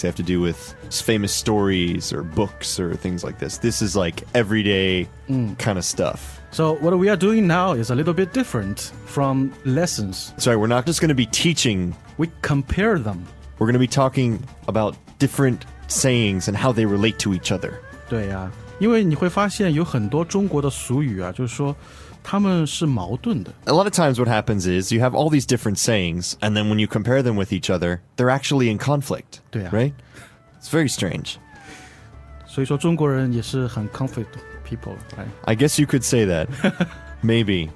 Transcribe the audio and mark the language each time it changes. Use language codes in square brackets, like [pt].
[en] They have to do with famous stories or books or things like this. This is like everyday kind of stuff. So what we are doing now is a little bit different from lessons. Sorry, we're not just going to be teaching. We compare them. We're going to be talking about different sayings and how they relate to each other. [zh] 对啊, 因为你会发现有很多中国的俗语啊, 就是说, [en] a lot of times what happens is you have all these different sayings, and then when you compare them with each other, they're actually in conflict, right? It's very strange. [zh] 所以说中国人也是很 [en] conflict people, right? I guess you could say that. Maybe.